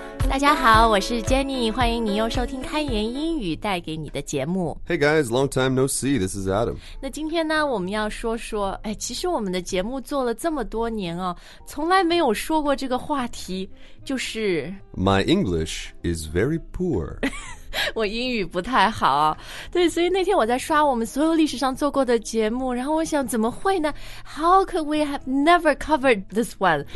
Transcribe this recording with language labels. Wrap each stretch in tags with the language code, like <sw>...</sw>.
<zh>大家好，我是 Jenny， 欢迎你又收听开言英语带给你的节目。</zh> <en>Hey guys, long time no see, this is Adam.</en> <zh>那今天呢，我们要说说，哎，其实我们的节目做了这么多年哦，从来没有说过这个话题，就是</zh> <en>My English is very poor.</en> <zh>我英语不太好，对，所以那天我在刷我们所有历史上做过的节目，然后我想怎么会呢？</zh> <en>How could we have never covered this one?</en>